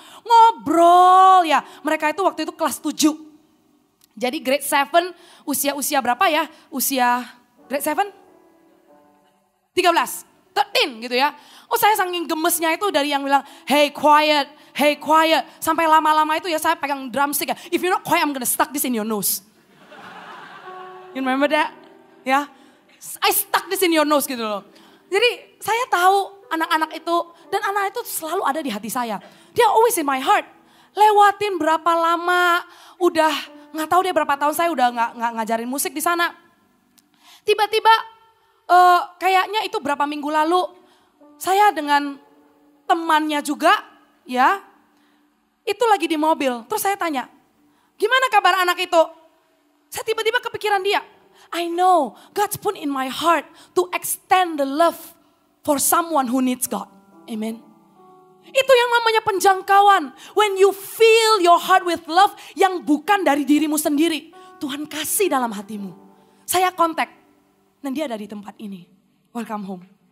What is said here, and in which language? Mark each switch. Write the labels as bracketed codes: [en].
[id] Ngobrol ya, mereka itu waktu itu kelas 7. Jadi grade 7, usia-usia berapa ya? Usia grade 7? 13, 13 gitu ya. Oh saya saking gemesnya itu dari yang bilang, [en] hey quiet. [id] Sampai lama-lama itu ya saya pegang drumstick ya. [en] If you're not quiet, I'm gonna stuck this in your nose. You remember that? Ya, yeah? I stuck this in your nose [id] gitu loh. Jadi saya tahu anak-anak itu, dan anak itu selalu ada di hati saya. Dia [en] always in my heart. [id] Lewatin berapa lama, udah gak tahu dia berapa tahun saya udah gak ngajarin musik di sana. Tiba-tiba kayaknya itu berapa minggu lalu saya dengan temannya juga ya, itu lagi di mobil. Terus saya tanya, gimana kabar anak itu? Saya tiba-tiba kepikiran dia. [en] I know God put in my heart to extend the love for someone who needs God. Amen. [id] Itu yang namanya penjangkauan. [en] When you fill your heart with love [id] yang bukan dari dirimu sendiri, Tuhan kasih dalam hatimu. Saya kontak. Dan dia ada di tempat ini. [en] Welcome home.